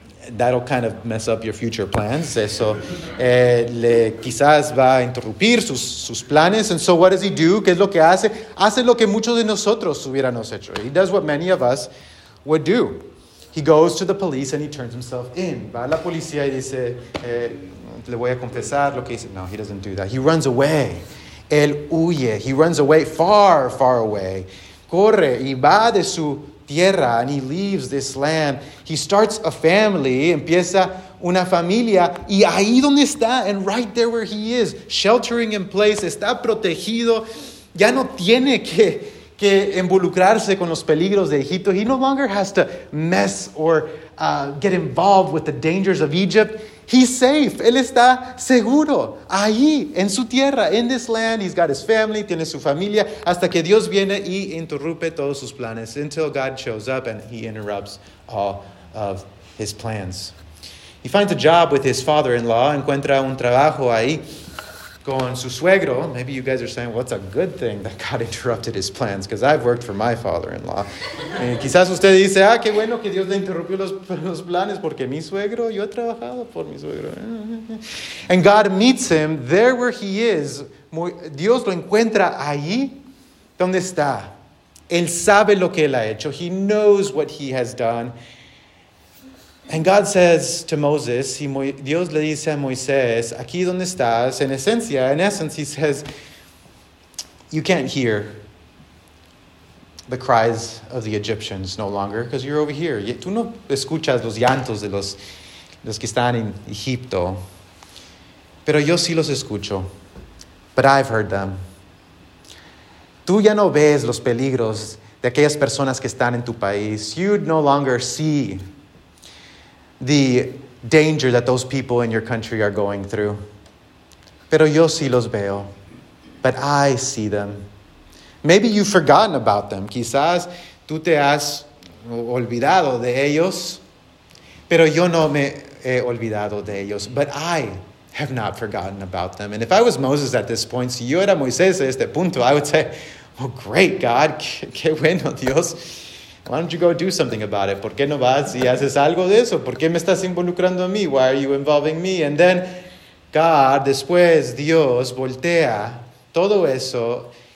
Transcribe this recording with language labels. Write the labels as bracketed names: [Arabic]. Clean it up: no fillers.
[English] That'll kind of mess up your future plans. [Spanish] Eso le quizás va a interrumpir sus planes. [English] And so what does he do? [Spanish] ¿Qué es lo que hace? Hace lo que muchos de nosotros hubiéramos hecho. [English] He does what many of us would do. He goes to the police and he turns himself in. [Spanish] Va a la policía y dice, le voy a confesar lo que hice. [English] No, he doesn't do that. He runs away. [Spanish] Él huye. [English] He runs away far, far away. [Spanish] Corre y va de su tierra, [English] and he leaves this land. He starts a family, [Spanish] empieza una familia, y ahí donde está, [English] and right there where he is, sheltering in place, [Spanish] está protegido, ya no tiene que involucrarse con los peligros de Egipto. [English] He no longer has to mess or get involved with the dangers of Egypt. He's safe. [Spanish] Él está seguro. Ahí, en su tierra, [English] in this land. He's got his family, [Spanish] tiene su familia, hasta que Dios viene y interrumpe todos sus planes. [English] Until God shows up and he interrupts all of his plans. He finds a job with his father-in-law. [Spanish] Encuentra un trabajo ahí con su suegro. [English] Maybe you guys are saying, well, it's a good thing that God interrupted his plans because I've worked for my father-in-law. Quizás usted dice, ah, qué bueno que Dios le interrumpió los planes porque mi suegro, yo he trabajado por mi suegro. And God meets him there where he is. [Spanish] Dios lo encuentra ahí donde está. Él sabe lo que él ha hecho. [English] He knows what he has done. And God says to Moses, [Spanish] Dios le dice a Moisés, aquí donde estás, [English] in essence, he says, you can't hear the cries of the Egyptians no longer because you're over here. [Spanish] Tú no escuchas los llantos de los que están en Egipto. Pero yo sí los escucho. [English] But I've heard them. [Spanish] Tú ya no ves los peligros de aquellas personas que están en tu país. [English] You no longer see the danger that those people in your country are going through. [Spanish] Pero yo sí los veo. [English] But I see them. Maybe you've forgotten about them. [Spanish] Quizás tú te has olvidado de ellos. Pero yo no me he olvidado de ellos. [English] But I have not forgotten about them. And if I was Moses at this point, [Spanish] si yo era Moisés a este punto, [English] I would say, oh, great, God. [Spanish] Qué bueno, Dios. [English] Why don't you go do something about it? [Spanish] ¿Por qué no vas y haces algo de eso? ¿Por qué me estás involucrando a mí? [English] Why are you involving me? And then God, [Spanish] después Dios, voltea todo eso